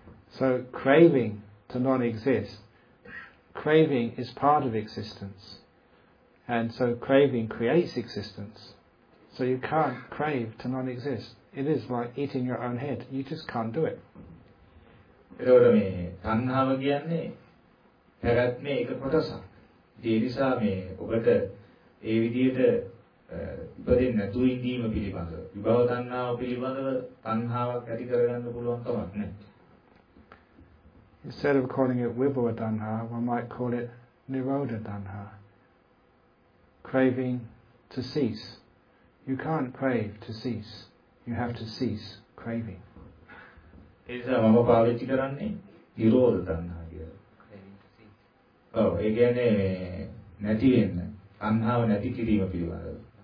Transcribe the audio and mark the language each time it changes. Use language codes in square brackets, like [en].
[en] So craving to non-exist, craving is part of existence, and so craving creates existence. So you can't crave to non-exist. It is like eating your own head. You just can't do it. [si] එතකොට මේ තණ්හාව කියන්නේ පැවැත්මේ එක කොටසක්. ඒ නිසා මේ ඔබට ඒ විදිහට ඉපදෙන්නේ නැතු ඉඳීම පිළිබඳව විභව තණ්හාව පිළිබඳව තණ්හාවක් ඇති කරගන්න පුළුවන් කමක් නැහැ. [en] Instead of calling it vibhava tanha, one might call it nirodha tanha, craving to cease. You can't crave to cease. You have to cease craving. [si] එතන මම පාවිච්චි කරන්නේ නිරෝධ තණ්හා කියලා. ඔව් ඒ කියන්නේ නැති වෙන්න තණ්හාව නැති කිරීම පිළිබඳව.